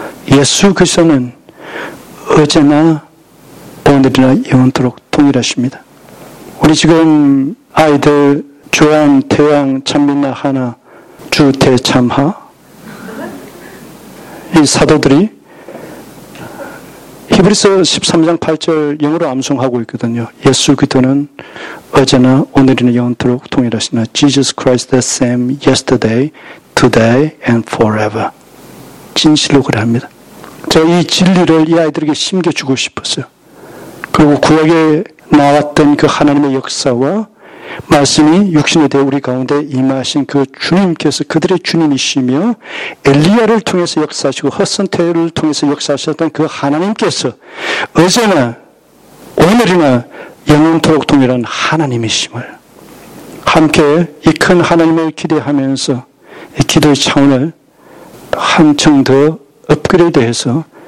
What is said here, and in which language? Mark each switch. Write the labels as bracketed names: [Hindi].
[Korean] 예수 그리스도는 어제나 오늘이나 영원토록 동일하십니다. 우리 지금 아이들 주한, 태양, 찬빛나, 하나, 주, 태, 참, 하 이 사도들이 히브리서 13장 8절 영어로 암송하고 있거든요. 예수 그리스도는 어제나 오늘이나 영원토록 동일하시나 [English] Jesus Christ the same yesterday, today and forever. [Korean] 진실로 그래합니다. 저 이 진리를 이 아이들에게 심겨주고 싶었어요. 그리고 구약에 나왔던 그 하나님의 역사와 말씀이 육신에 대해 우리 가운데 임하신 그 주님께서 그들의 주님이시며 엘리야를 통해서 역사하시고 허슨 테일러를 통해서 역사하셨던 그 하나님께서 어제나 오늘이나 영원토록 동일한 하나님이심을 함께 이 큰 하나님을 기대하면서 이 기도의 차원을 한층 더 업그레이드해서